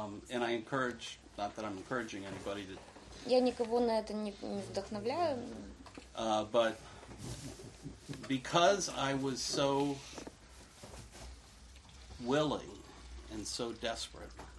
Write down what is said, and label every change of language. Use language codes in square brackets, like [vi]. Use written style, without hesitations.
[en] And I encourage, not that I'm encouraging anybody to. [ru] Я никого на это не вдохновляю. [en] But because I was so willing and so desperate.